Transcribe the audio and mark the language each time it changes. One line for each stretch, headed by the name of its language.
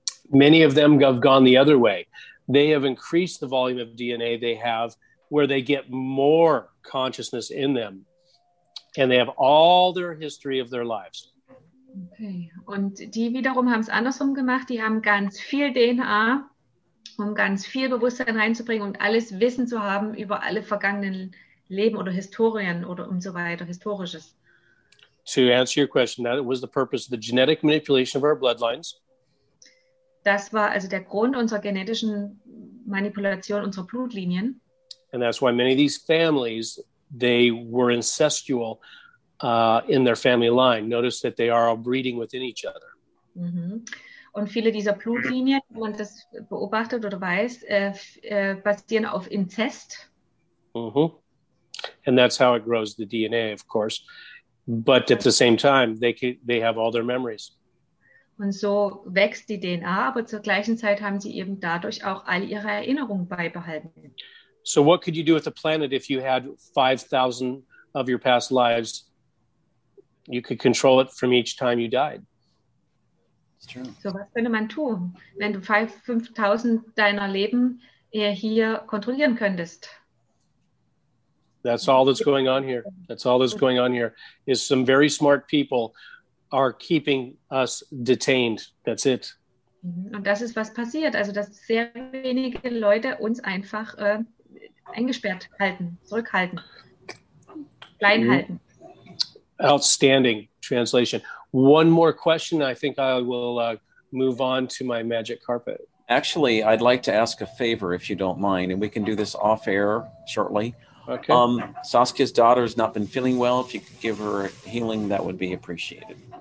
English: Many of them have gone the other way. They have increased the volume of DNA they have where they get more consciousness in them. And they have all their history of their lives. Okay.
German: Und die wiederum haben es andersrum gemacht. Die haben ganz viel DNA, um ganz viel Bewusstsein reinzubringen und alles Wissen zu haben über alle vergangenen Leben oder Historien oder und so weiter, Historisches.
English: to answer your question, that was the purpose of the genetic manipulation of our bloodlines.
German: Das war also der Grund unserer genetischen Manipulation unserer Blutlinien.
English: And that's why many of these families, they were incestual in their family line. Notice that they are all breeding within each other. Mm-hmm.
German: Und viele dieser Blutlinien, wenn man das beobachtet oder weiß, basieren auf Inzest. Mm-hmm.
English: And that's how it grows the DNA, of course. But at the same time, they have all their memories.
German: Und so wächst die DNA, aber zur gleichen Zeit haben sie eben dadurch auch all ihre Erinnerungen beibehalten.
English: So what could you do with the planet if you had 5,000 of your past lives? You could control it from each time you died. It's true.
German: So was könnte man tun, wenn du 5,000 deiner Leben hier kontrollieren könntest?
English: That's all that's going on here. That's all that's going on here is some very smart people are keeping us detained. That's it.
German: Und das ist, was passiert. Also, dass sehr wenige Leute uns einfach eingesperrt halten, zurückhalten, klein halten.
English: Outstanding translation. One more question. I think I will move on to my magic carpet. Actually, I'd like to ask a favor, if you don't mind, and we can do this off air shortly. Okay. Saskia's daughter has not been feeling well. If you could give her healing, that would be appreciated.